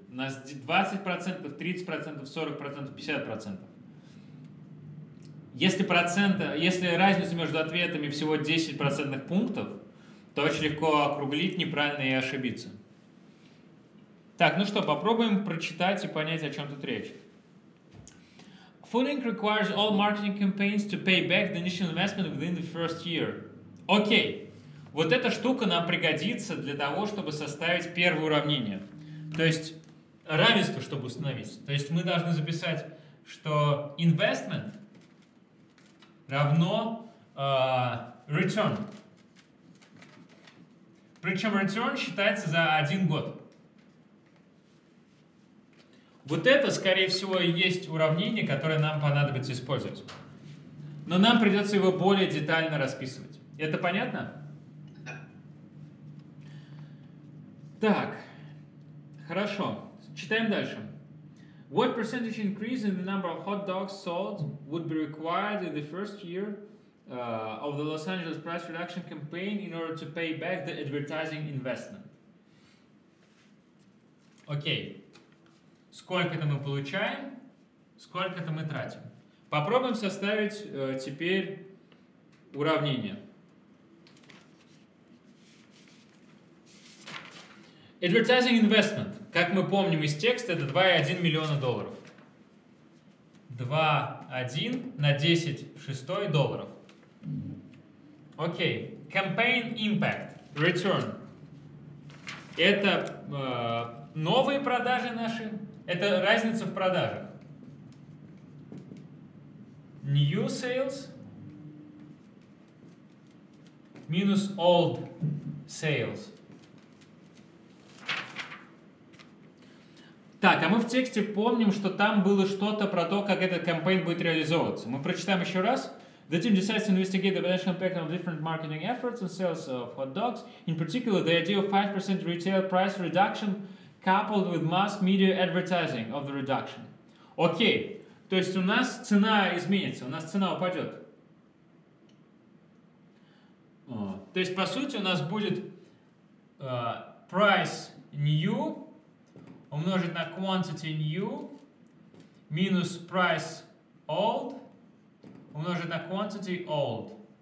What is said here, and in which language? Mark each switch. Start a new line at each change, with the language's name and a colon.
Russian: У нас 20%, 30%, 40%, 50%. Если проценты, если разница между ответами всего 10 процентных пунктов, то очень легко округлить неправильно и ошибиться. Так, ну что, попробуем прочитать и понять, о чем тут речь.
English: Food Inc. requires all marketing campaigns to pay back the initial investment within the first year.
Russian: Окей. Вот эта штука нам пригодится для того, чтобы составить первое уравнение. То есть равенство, чтобы установить. То есть мы должны записать, что investment равно return. Причем return считается за один год. Вот это, скорее всего, и есть уравнение, которое нам понадобится использовать. Но нам придется его более детально расписывать. Это понятно? Да. Так. Хорошо. Читаем дальше.
English: What percentage increase in the number of hot dogs sold would be required in the first year of the Los Angeles price reduction campaign in order to pay back the advertising investment?
Russian: Окей. Сколько-то мы получаем, сколько-то мы тратим. Попробуем составить теперь уравнение.
English: Advertising investment.
Russian: Как мы помним из текста, это 2,1 миллиона долларов. 2,1 на 10 в шестой долларов. Окей. Okay. Campaign impact. Return. Это новые продажи наши. Это разница в продажах.
English: New sales минус old sales.
Russian: Так, а мы в тексте помним, что там было что-то про то, как этот кампейн будет реализовываться. Мы прочитаем еще раз.
English: The team decides to investigate the potential impact of different marketing efforts on sales of hot dogs. In particular, the idea of 5% retail price reduction coupled with mass media advertising of the reduction.
Russian: Окей. То есть у нас цена изменится, у нас цена упадет. То есть, по сути, у нас будет price new умножить на quantity new минус price old умножить на quantity old.